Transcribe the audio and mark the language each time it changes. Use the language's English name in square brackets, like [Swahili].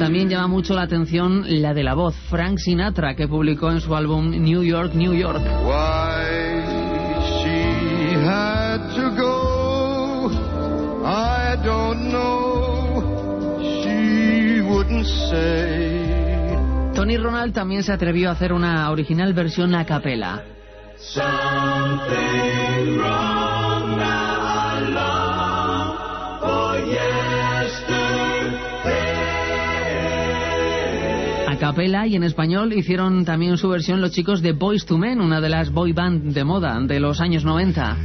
[Spanish] Llama mucho la atención la de la voz Frank Sinatra, que publicó en su álbum New York, New York. [English] Why she had to go, I don't know, she wouldn't say. [Spanish] Tony Ronald también se atrevió a hacer una original versión a capela. [English] Something wrong. [Spanish] Capela, y en español hicieron también su versión los chicos de Boys to Men, una de las boy band de moda de los años 90.